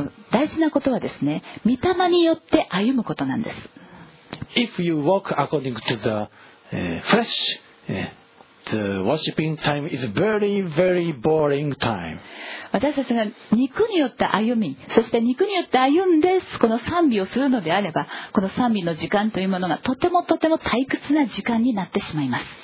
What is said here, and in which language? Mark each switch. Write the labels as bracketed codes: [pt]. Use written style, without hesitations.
[ja] 大事なことはですね、御霊によって歩むことなんです。 [en] If you walk according to the flesh, the worshiping time is very, very boring time. [ja] 私たちが肉によって歩み、そして肉によって歩んでこの賛美をするのであれば、この賛美の時間というものがとてもとても退屈な時間になってしまいます。